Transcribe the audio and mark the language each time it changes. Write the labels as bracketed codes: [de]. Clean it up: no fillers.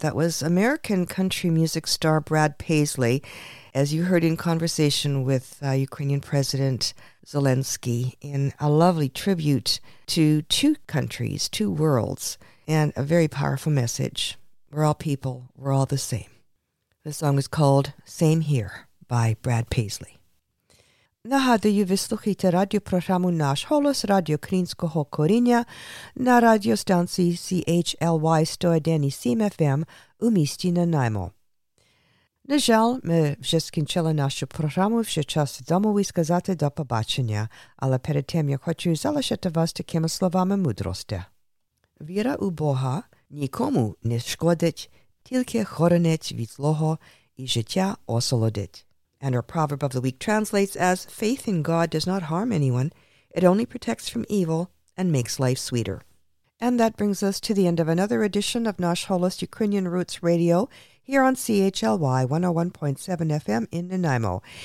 [en] That was American country music star Brad Paisley, as you heard in conversation with Ukrainian President Zelensky, in a lovely tribute to two countries, two worlds, and a very powerful message. We're all people. We're all the same. The song is called Same Here by Brad Paisley. [uk] Нагадую, ви слухаєте радіопрограму «Наш голос» радіо Крінського коріння на радіостанції CHLY 101.7 FM у місті Нанаймо. На жаль, ми вже скінчили нашу програму, вже час домовий сказати до побачення, але перед тим я хочу залишити вас такими словами мудрості. Віра у Бога нікому не шкодить, тільки хоронить від злого і життя осолодить. [en] And our proverb of the week translates as, faith in God does not harm anyone. It only protects from evil and makes life sweeter. And that brings us to the end of another edition of Nash Holos Ukrainian Roots Radio here on CHLY 101.7 FM in Nanaimo.